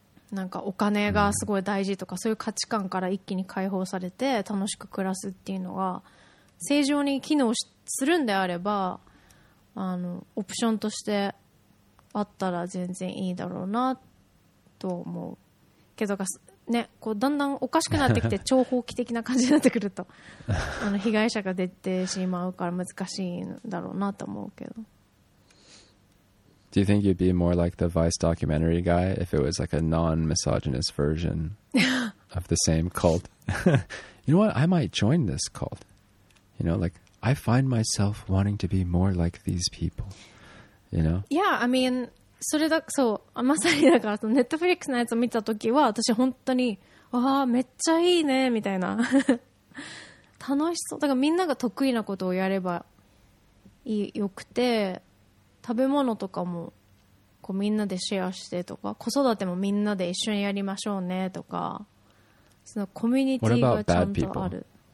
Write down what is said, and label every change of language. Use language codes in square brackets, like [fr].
[ja] なんかお金がすごい大事とか、そういう価値観から一気に解放されて楽しく暮らすっていうのが正常に機能するんであれば、あのオプションとしてあったら全然いいだろうなと思うけど、ね、こうだんだんおかしくなってきて超法規的な感じになってくると、あの被害者が出てしまうから難しいんだろうなと思うけど。 [en] Do you think you'd be more like the Vice documentary guy if it was like a non-misogynist version of the same cult? You know what? I might join this cult. You know, like, I find myself wanting to be more like these people. You know? Yeah, I mean, [ja] それだ、そう、まさにだから、そのネットフリックスのやつを見たときは、私本当に、わー、めっちゃいいね、みたいな。楽しそう。だからみんなが得意なことをやればいい、よくて、食べ物とかもこうみんなでシェアしてとか、子育てもみんなで一緒にやりましょうねとか、そのコミュニティがちゃんとある。